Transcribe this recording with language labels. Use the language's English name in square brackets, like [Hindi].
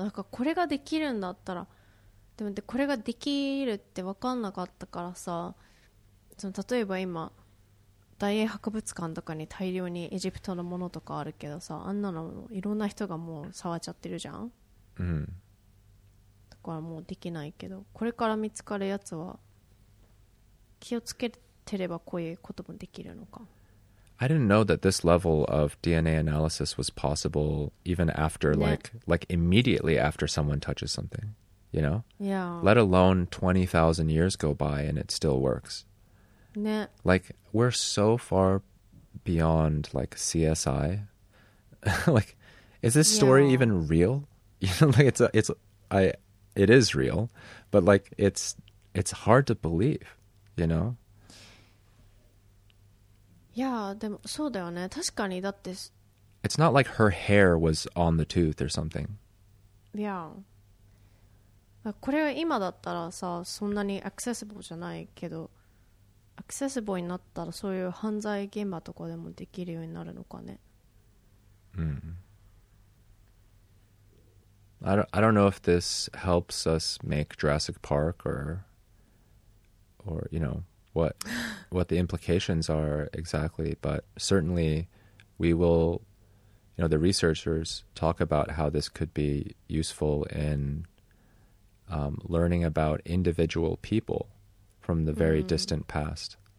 [Japanese] なんかこれができるんだったら、でもこれができるって分かんなかったからさ、その例えば今大英博物館とかに大量にエジプトのものとかあるけどさ、あんなのいろんな人がもう触っちゃってるじゃん。からもうできないけど、これから見つかるやつは気をつけてればこういうこともできるのか。 [English] I didn't know that this level of DNA analysis was possible even after、ね、like immediately after someone touches something, you know? Yeah. Let alone 20,000 years go by and it still works. [Japanese] ね。 [English] Like, we're so far beyond like CSI. Like, is this story、yeah. even real? You know, like it is real, but like it's hard to believe, you know? [Japanese] Yeah, でもそうだよね。確かにだって [English] It's not like her hair was on the tooth or something. Yeah. [Japanese] これは今だったらさ、そんなにアクセシブルじゃないけど、アクセシブルになったらそういう犯罪現場とかでもできるようになるのかね。 [English] I don't know if this helps us make Jurassic Park or you know, what the implications are exactly, but certainly we will, you know, the researchers talk about how this could be useful in learning about individual people from the very distant past.